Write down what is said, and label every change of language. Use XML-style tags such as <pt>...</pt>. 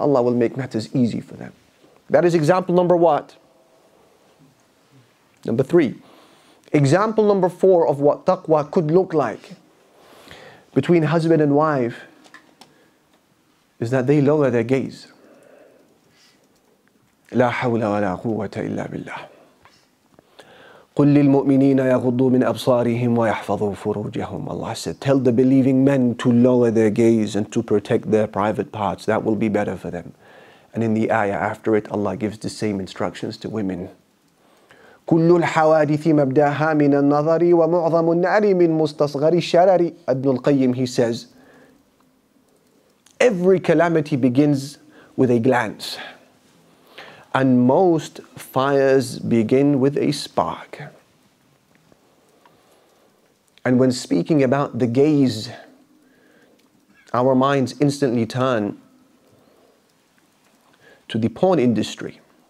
<en>Allah will make matters easy for them. That is example number what? Number three. Example number four of what taqwa could look like between husband and wife is that they lower their gaze.</en> <ar>لا حول ولا قوة إلا بالله قل للمؤمنين يغضوا من أبصارهم ويحفظوا فروجهم.</ar> <en>Allah said, tell the believing men to lower their gaze and to protect their private parts. That will be better for them. And in the ayah after it, Allah gives the same instructions to women.</en> <ar>كل الحوادث مبداها من النظر ومعظم النار من مستصغر الشرر.</ar> <en>ابن القيم, he says, every calamity begins with a glance. And most fires begin with a spark. And when speaking about the gaze, our minds instantly turn to the porn industry.</en>